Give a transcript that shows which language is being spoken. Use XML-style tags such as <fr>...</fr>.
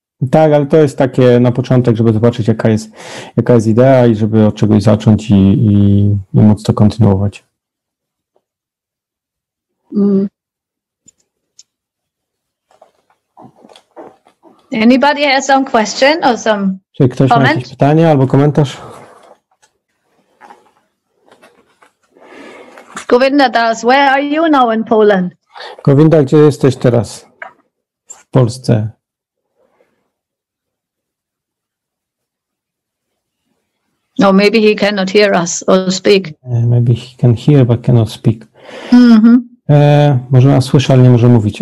<pl>Tak, ale to jest takie na początek, żeby zobaczyć, jaka jest idea i żeby od czegoś zacząć i móc to kontynuować.</pl> <en>Anybody has some question or some comment?</en> <pl>Czy ktoś ma jakieś pytanie albo komentarz?</pl> <en>Govinda das, where are you now in Poland?</en> <pl>Govinda, gdzie jesteś teraz? W Polsce.</pl> <en>No, maybe he cannot hear us or speak. Maybe he can hear, but cannot speak. Mm-hmm.</en> <pl>Może nas słyszy, ale nie może mówić.</pl>